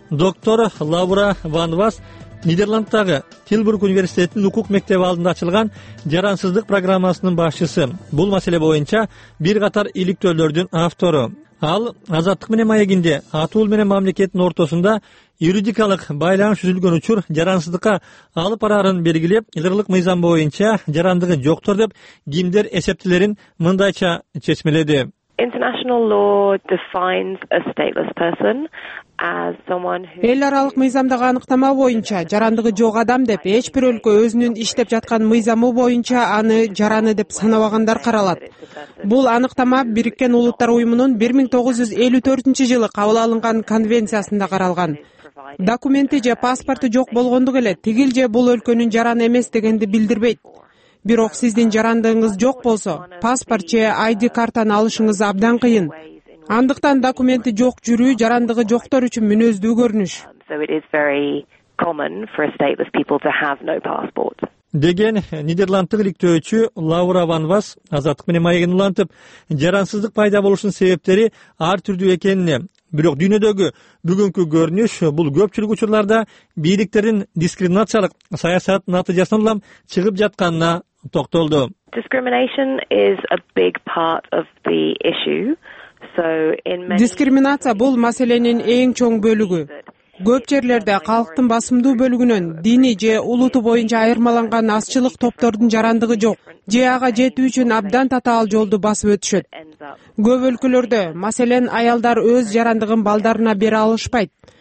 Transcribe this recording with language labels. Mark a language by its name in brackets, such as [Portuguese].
[Kyrgyz] Доктор Лаура Ван Вас Нидерланддагы Тилбург университетинин укук мектеби алдында ачылган жарансыздык программасынын башчысы, бул маселе боюнча бир катар иликтөөлөрдүн автору. Ал Азаттык менен маегинде атуул менен мамлекеттин ортосунда юридикалык байланыш үзүлгөн учур жарансыздыкка алып барарын белгилеп, ылырлык мыйзам боюнча жарандыгы жоктор деп кимдер эсептелерин мындайча чечмеледи. [English] International law defines a stateless person as someone who [Kyrgyz] эл аралык мыйзамдагы аныктама боюнча жарандыгы жок адам деп эч бир өлкө өзүнүн иштеп жаткан мыйзамы боюнча аны жараны деп санабагандар каралат. Бул аныктама Бириккен Улуттар уюмунун 1954-жылы кабыл алынган конвенциясында каралган. Документи же паспорту жок болгондугу эле тигил же бул өлкөнүн жараны эмес дегенди билдирбейт. Бирок сиздин жарандыгыңыз жок болсо, паспорт же ID картаны алышыңыз абдан кыйын. Андыктан документи жок жүрүү жарандыгы жоктор үчүн мүнөздүү көрүнүш. Деген Нидерланддык иликтөөчү Лаура Ван Вас Азаттык менен маегин улантып, жарансыздык пайда болушунун себептери ар түрдүү экенине, бирок дүйнөдөгү бүгүнкү көрүнүш бул көпчүлүк учурларда бийликтердин дискриминациялык саясатынын натыйжасынан улам чыгып жатканына токтолду. [English] Discrimination is a big part of the issue. So in many [Kyrgyz] дискриминация бул маселенин эң чоң бөлүгү. Көп жерлерде калктын басымдуу бөлүгүнөн дини же улуту боюнча айырмаланган азчылык топтордун жарандыгы жок же ага жетүү үчүн абдан татаал жолду басып өтүшөт. Көп өлкөлөрдө, маселен, аялдар өз жарандыгын балдарына бере алышпайт.